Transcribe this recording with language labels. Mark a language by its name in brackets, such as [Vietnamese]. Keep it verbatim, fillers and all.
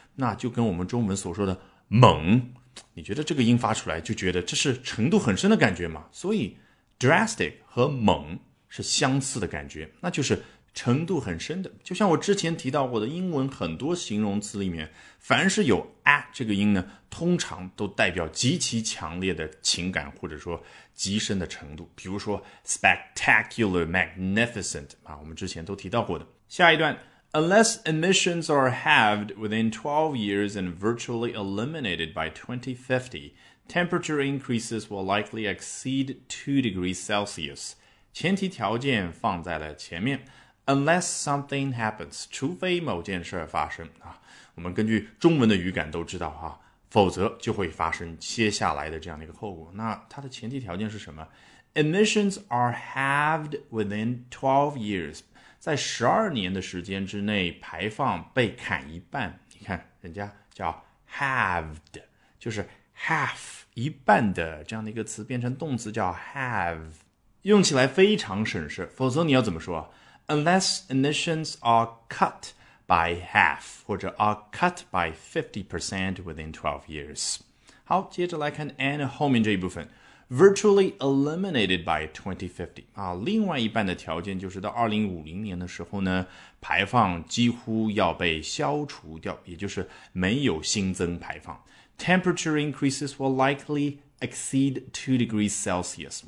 [Chinese] 那就跟我们中文所说的猛，你觉得这个音发出来就觉得这是程度很深的感觉嘛，所以 drastic 和猛是相似的感觉，那就是程度很深的。就像我之前提到过的，英文很多形容词里面，凡是有 啊 这个音呢，通常都代表极其强烈的情感，或者说极深的程度。比如说 spectacular, magnificent 啊，我们之前都提到过的。下一段 [English] ，Unless emissions are halved within twelve years and virtually eliminated by twenty fifty, temperature increases will likely exceed two degrees Celsius。 [Chinese] 前提条件放在了前面 [English] unless something happens， [Chinese] 除非某件事发生啊。我们根据中文的语感都知道啊，否则就会发生接下来的这样的一个后果。那它的前提条件是什么？ [English] Emissions are halved within twelve years， [Chinese] 在十二年的时间之内排放被砍一半。你看人家叫 halved， 就是 half 一半的这样的一个词变成动词叫 have，用起来非常省事，否则你要怎么说？ [English] Unless emissions are cut by half， [Chinese] 或者 [English] are cut by fifty percent within twelve years。 [Chinese] 好，接着来看 and 后面这一部分 [English] virtually eliminated by twenty fifty， [Chinese] 啊，另外一半的条件就是到二零五零年的时候呢，排放几乎要被消除掉，也就是没有新增排放。 [English] Temperature increases will likely exceed two degrees Celsius。